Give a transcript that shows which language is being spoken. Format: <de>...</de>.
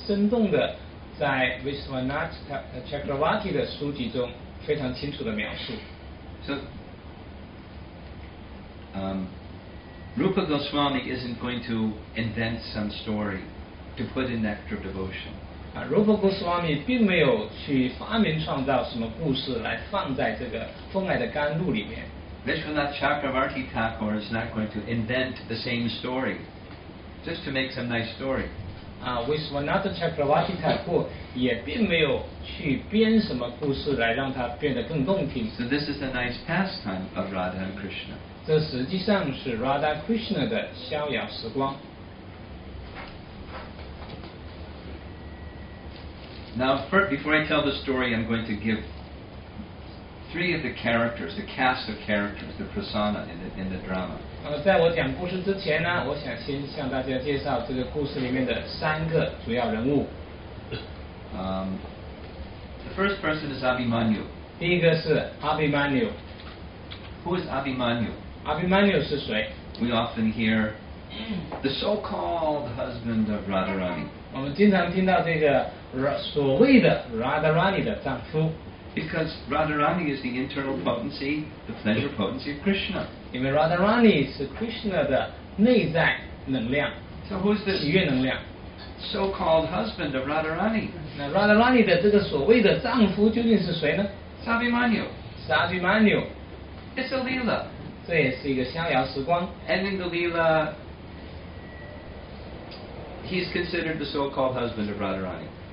<zh>那么这个逍遥时光呢，非常生动的在 Vishwanath Chakravarti 的书籍中非常清楚的描述。So,</zh> <en>Rupa Goswami isn't going to invent some story to put in Nectar of Devotion.</en> <zh>Rupa Goswami 并没有去发明创造什么故事来放在这个奉爱的甘露里面。</zh> <en>Vishwanath Chakravarti Thakur is not going to invent the same story. Just to make some nice story.</en> <zh>Vishwanath Chakravarti Thakur 也并没有去编什么故事来让它变得更动听。</zh> <en>So this is a nice pastime of Radha and Krishna.</en> <zh>这实际上是 Radha Krishna 的逍遥时光。</zh> <en>Now, before I tell the story, I'm going to give three of the characters, the cast of characters, the persona in the drama.</en> <zh>在我讲故事之前呢，我想先向大家介绍这个故事里面的三个主要人物。</zh> <en>The first person is Abhimanyu.</en> <zh>第一个是Abhimanyu.</zh> <en>Who is Abhimanyu?</en> <zh>Abhimanyu 是谁？</zh> <en>We often hear the so-called husband of Radharani.</en> <zh>我们经常听到这个所谓的Radharani的丈夫。</zh> <en>Because Radharani is the internal potency, the pleasure potency of Krishna.</en> <zh>因为 Radharani 是 Krishna 的内在能量，so</zh> <en>who's this</en> <zh>喜悦能量</zh> <en>so-called husband of Radharani?</en> <zh>那 Radharani 的这个所谓的丈夫究竟是谁呢？</zh> <en>Abhimanyu. Sabhimanyu. It's a Leela. And in the Leela, he's considered the so-called husband of Radharani.</en>